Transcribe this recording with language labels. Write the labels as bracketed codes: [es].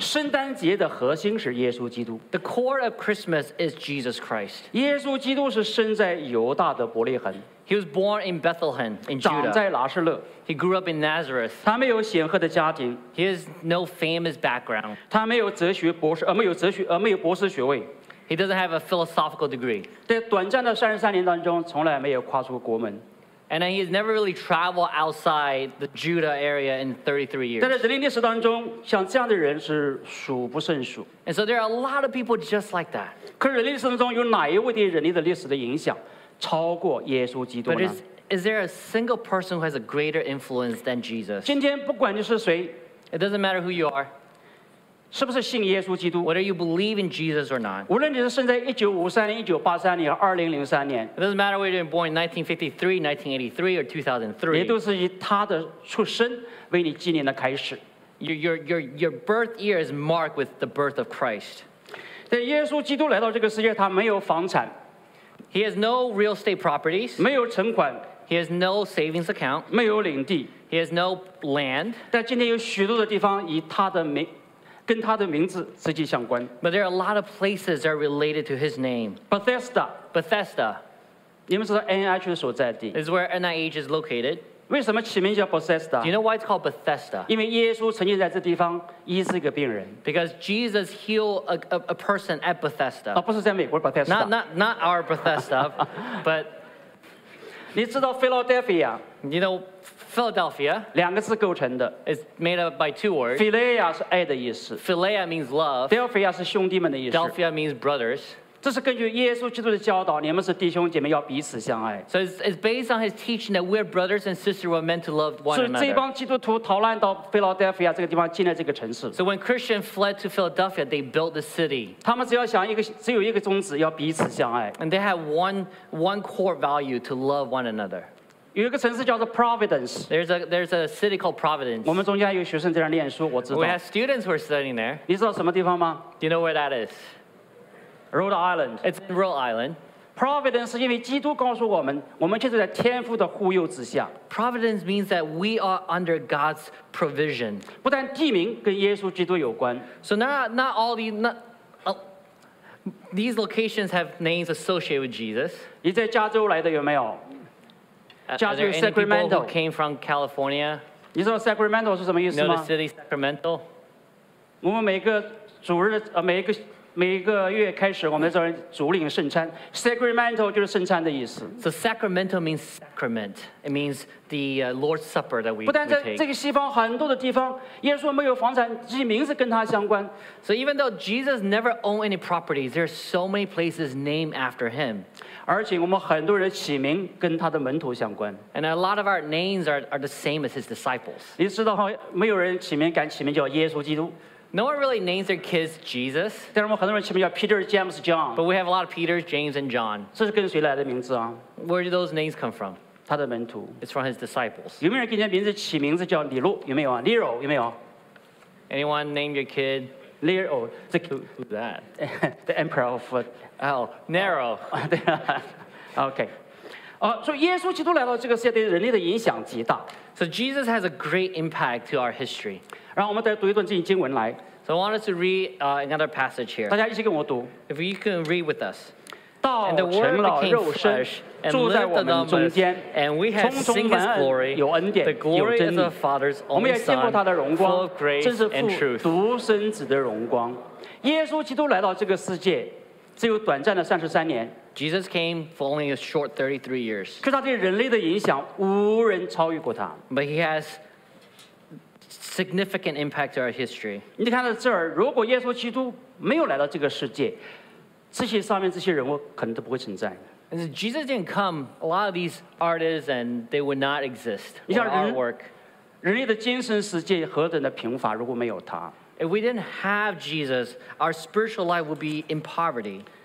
[zh] 圣诞节的核心是耶稣基督。 [en] The core of Christmas is Jesus Christ. [zh] 耶稣基督是生在犹大的伯利恒。 [en] He was born in Bethlehem, in Judah. [zh] 长在拿士勒。 [en] He grew up in Nazareth. [zh] 他没有显赫的家庭。 [en] He has no famous background. [zh] 他没有哲学博士，没有哲学，没有博士学位。 [en] He doesn't have a philosophical degree. [zh] 在短暂的33年当中，从来没有跨出国门。 [en] And he has never really traveled outside the Judah area in 33 years. [zh] 但在人类历史当中，像这样的人是数不胜数。 [en] And so there are a lot of people just like that. [zh] 可是人类历史当中有哪一位对人类的历史的影响？超过耶稣基督呢？ [en] But is there a single person who has a greater influence than Jesus? [zh] 今天不管你是谁， [en] It doesn't matter who you are. [zh] 是不是信耶稣基督？ [en] Whether you believe in Jesus or not. [zh] 无论你是生在1953年、1983年、2003年， [en] It doesn't matter whether you're born in 1953, 1983, or 2003. [zh] 也都是以他的出生为你纪念的开始。 [en] Your birth year is marked with the birth of Christ. [zh] 在耶稣基督来到这个世界，他没有房产。 [en] He has no real estate properties. [zh] 没有存款。 [en] He has no savings account. [zh] 没有领地。 [en] He has no land. [zh] 但今天有许多的地方以他的名，跟他的名字直接相关。 [en] But there are a lot of places that are related to his name. [zh] Bethesda. 你们知道 NIH 的所在地。 [en] Is where NIH is located. [zh] 为什么起名叫 Bethesda? [en] Do you know why it's called Bethesda? [zh] 因为耶稣曾经在这地方医治一个病人。 [en] Because Jesus healed a person at Bethesda. [zh] 不是在美国 Bethesda. [en] Not our Bethesda, but... [zh] 你知道 Philadelphia? [en] You know Philadelphia? [zh] 两个字构成的。 [en] It's made up by two words. [zh] Philia 是爱的意思。 [en] Philia means love. [zh] Delphia 是兄弟们的意思。 [en] Delphia means brothers. [zh] 这是根据耶稣基督的教导，你们是弟兄姐妹要彼此相爱。 [en] So it's based on his teaching that we're brothers and sisters were meant to love one another. [zh] 所以这帮基督徒逃难到菲拉德尔菲亚这个地方，进了这个城市。 [en] So when Christians fled to Philadelphia, they built the city. [zh] 他们只要想一个，只有一个宗旨，要彼此相爱。 [en] And they had one core value to love one another. [zh] 有一个城市叫做 Providence. [en] There's a city called Providence. [zh] 我们中间有学生在那念书，我知道。 [en] We have students who are studying there. [zh] 你知道什么地方吗？ [en] Do you know where that is? Rhode Island. It's in Rhode Island. [zh] Providence 是因为基督告诉我们，我们就是在天父的护佑之下。 [en] Providence means that we are under God's provision. [zh] 不但地名跟耶稣基督有关。 [en] So not all these locations have names associated with Jesus. [zh] 你在加州来的有没有？ [en] Are there any Sacramento? People who came from California? [zh] 你知道 Sacramento 是什么意思吗？ [en] Know the city Sacramento? [zh] 我们每个主日每一个月开始，我们在这儿主领圣餐。 Sacramento 就是圣餐的意思。 [en] So Sacramento means sacrament. It means the Lord's Supper that we take. [zh] 不但在这个西方很多的地方，耶稣没有房产，其名字跟他相关。 [en] So even though Jesus never owned any properties, there are so many places named after him. [zh] 而且我们很多人起名跟他的门徒相关。 [en] And a lot of our names are the same as his disciples. [zh] 你知道没有人敢起名叫耶稣基督。 [en] No one really names their kids Jesus. [zh] 但是我们很多人起名叫 Peter, James, John. [en] But we have a lot of Peter, James, and John. [zh] 这是跟谁来的名字啊？ [en] Where do those names come from? [zh] 他的门徒。 [en] It's from his disciples. [zh] 有没有人给人名字起名字叫李路？有没有啊 ？Leo, 有没有 [en] ？Anyone name your kid? Leo, who's that? The emperor of. Narrow. Okay. So Jesus Christ came to this world, his influence is great. So Jesus has a great impact to our history. So I want us to read another passage here. [zh] 大家一起跟我读。 [en] If you can read with us. And the Word became flesh and lived among us, and we have seen his glory, the glory of the Father's only Son, full of grace and truth. [zh] 独生子的荣光。耶稣基督来到这个世界。只有短暂的三十三年。 [en] Jesus came for only a short 33 years. [zh] 可是他对人类的影响无人超越过他。 [en] But he has significant impact to our history. [zh] 你看到这儿，如果耶稣基督没有来到这个世界，这些上面这些人物可能都不会存在。 [en] And if Jesus didn't come, a lot of these artists and they would not exist. [zh] 你像人，人类的精神世界何等的贫乏，如果没有他。 [en] If we didn't have Jesus, our spiritual life would be in poverty.